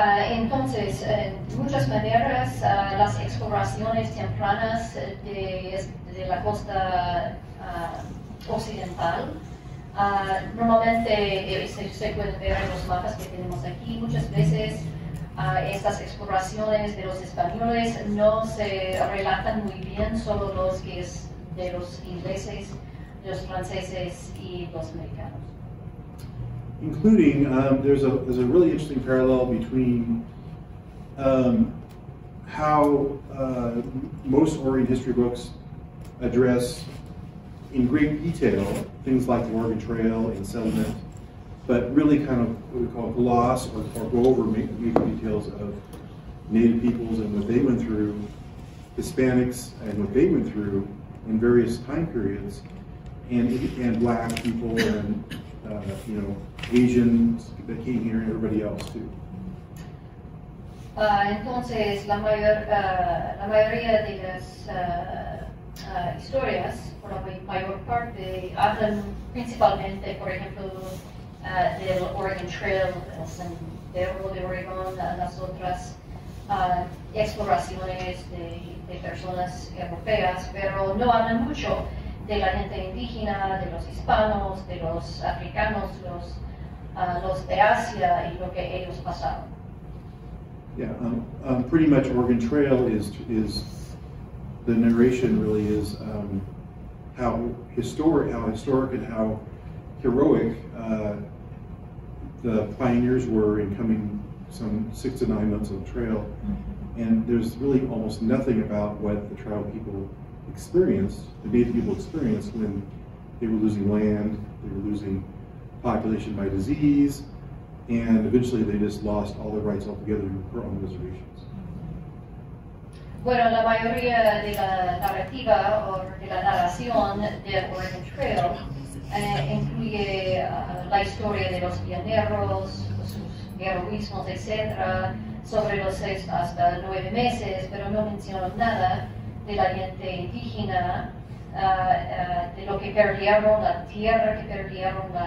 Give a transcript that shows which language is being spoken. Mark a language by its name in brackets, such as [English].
[Spanish] Entonces, en muchas maneras, las exploraciones tempranas de la costa occidental, normalmente se puede ver en los mapas que tenemos aquí, muchas veces estas exploraciones de los españoles no se relatan muy bien, solo los que es de los ingleses, los franceses y los americanos. [English] Including, there's a really interesting parallel between how most Oregon history books address in great detail things like the Oregon Trail and settlement, but really kind of what we call gloss or go over major details of Native peoples and what they went through, Hispanics and what they went through in various time periods, and Black people and you know, Asians that came here and everybody else too. [Spanish] Entonces, la mayoría de las historias, por la mayor parte, hablan principalmente, por ejemplo, del Oregon Trail, el sendero de Oregon, las otras exploraciones de personas europeas, pero no hablan mucho de la gente indígena, de los hispanos, de los africanos, los de Asia y lo que ellos pasaron. [English] Yeah, pretty much Oregon Trail is the narration really is how historic and how heroic the pioneers were in coming some 6 to 9 months on the trail. Mm-hmm. And there's really almost nothing about what the tribal people experienced, the Native people experienced when they were losing land, they were losing population by disease, and eventually they just lost all their rights altogether and were on the reservations. [Spanish] Bueno, la mayoría de la narrativa o de la narración del Oregon Trail incluye la historia de los pioneros, sus heroísmos, etc., sobre los 6 hasta 9 meses, pero no mencionó nada de la gente indígena, de lo que perdieron, la tierra que perdieron,